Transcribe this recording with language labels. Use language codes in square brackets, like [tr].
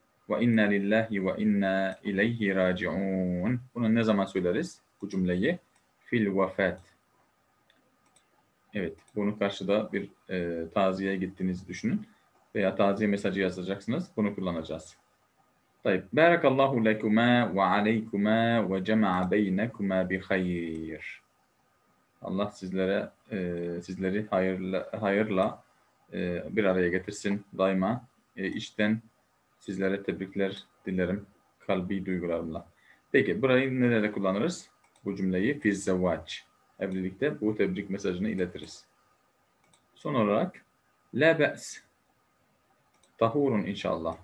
[ar] Ve inna lillahi ve inna ileyhi raci'un. [tr] Bunu ne zaman söyleriz? Bu cümleyi. [ar] Fil vefat. [tr] Evet. Bunu karşıda bir taziye gittiğinizi düşünün. Veya taziye mesajı yazacaksınız. Bunu kullanacağız. [ar] طيب بارك الله لكما وعليكما وجمع بينكما بخير. [tr] Allah sizlere sizleri hayırla bir araya getirsin daima. İçten sizlere tebrikler dilerim kalbi duygularımla. Peki burayı nerede kullanırız? Bu cümleyi [ar] fiz zevac. [tr] Evlilikte bu tebrik mesajını iletiriz. Son olarak [ar] la ba's. Tahurun inşallah.